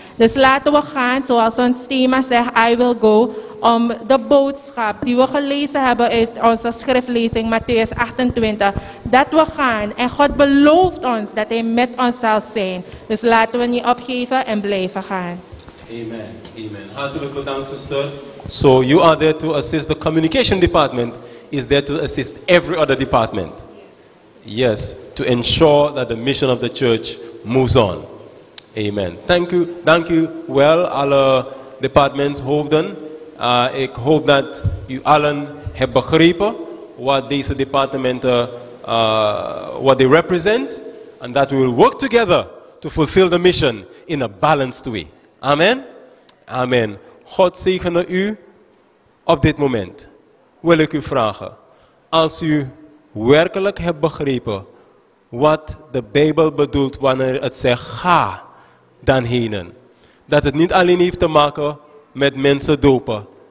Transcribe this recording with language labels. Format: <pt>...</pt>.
<nl>Dus laten we gaan, zoals ons thema zegt,</nl> <en>I will go,</en> <nl>om de boodschap die we gelezen hebben uit onze schriftlezing, Matthäus 28, dat we gaan en God belooft ons dat hij met ons zal zijn. Dus laten we niet opgeven en blijven gaan. Amen, amen. Hartelijk bedankt, zuster.</nl> <en>So you are there to assist the communication department, is there to assist every other department. Yes, to ensure that the mission of the church moves on. Amen.</en> <nl>Dank u wel, alle departementshoofden. Ik hoop dat u allen hebt begrepen wat deze departementen,</nl> <en>what they represent. And that we will work together to fulfill the mission in a balanced way. Amen. Amen.</en> <nl>God zegene u op dit moment. Wil ik u vragen. Als u werkelijk hebt begrepen wat de Bijbel bedoelt wanneer het zegt ga dan heen. Dat het niet alleen heeft te maken met mensen dopen.</nl>